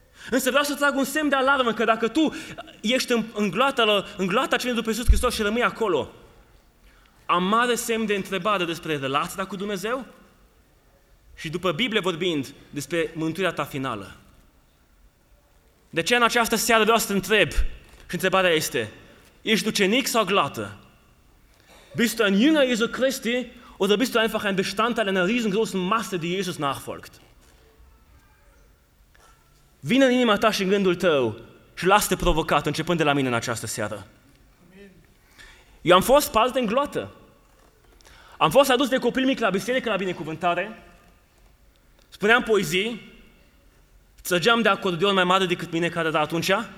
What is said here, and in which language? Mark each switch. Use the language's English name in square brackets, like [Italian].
[Romanian] Însă vreau să trag un semn de alarmă că dacă tu ești în gloata ce vine după Iisus Hristos și rămâi acolo, am mare semn de întrebare despre relația cu Dumnezeu și după Biblie vorbind despre mântuirea ta finală. De ce în această seară vreau să te întreb? Și întrebarea este, ești ucenic sau gloată? [German] Bist du ein Jünger Jesu Christi oder bist du einfach ein Bestandteil einer riesengroßen Masse, die Jesus nachfolgt? [Romanian] Vine în inima ta și în gândul tău și lasă-te provocat, începând de la mine în această seară. Eu am fost parte în gloată. Am fost adus de copil mic la biserică, la binecuvântare, spuneam poezii, trăgeam de acordeon mai mare decât mine care era atunci.